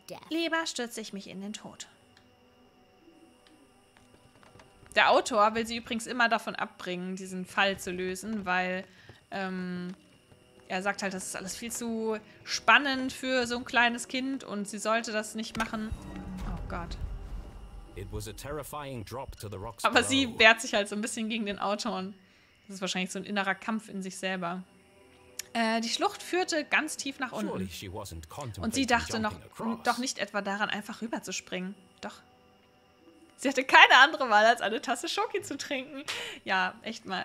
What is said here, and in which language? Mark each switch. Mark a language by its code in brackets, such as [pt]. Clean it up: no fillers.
[de] Lieber stürze ich mich in den Tod. Der Autor will sie übrigens immer davon abbringen, diesen Fall zu lösen, weil er sagt halt, das ist alles viel zu spannend für so ein kleines Kind und sie sollte das nicht machen. Oh Gott. [en] It was a terrifying drop to the rocks. [de] Aber sie wehrt sich halt so ein bisschen gegen den Autoren. Das ist wahrscheinlich so ein innerer Kampf in sich selber. Die Schlucht führte ganz tief nach unten. Und sie dachte doch nicht etwa daran, einfach rüberzuspringen. Doch. Sie hatte keine andere Wahl, als eine Tasse Schoki zu trinken. Ja, echt mal.